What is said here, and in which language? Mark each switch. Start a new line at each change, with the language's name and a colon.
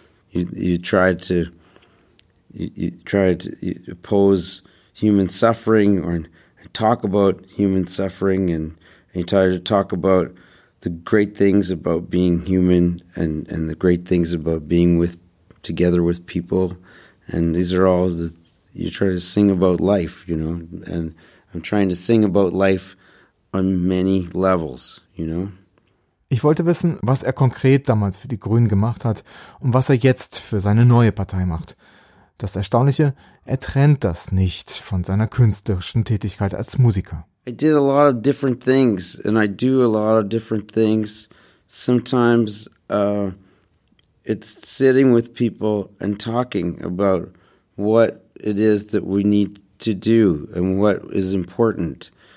English: You try to oppose human suffering or talk about human suffering, and you try to talk about the great things about being human and the great things about being with together with people. And these are all the, you try to sing about life, you know, and I'm trying to sing about life on many levels, you know.
German: Ich wollte wissen, was konkret damals für die Grünen gemacht hat und was jetzt für seine neue Partei macht. Das Erstaunliche, trennt das nicht von seiner künstlerischen Tätigkeit als Musiker.
English: I did a lot of different things and I do a lot of different things. Sometimes it's sitting with people and talking about what it is that we need to do and what is important.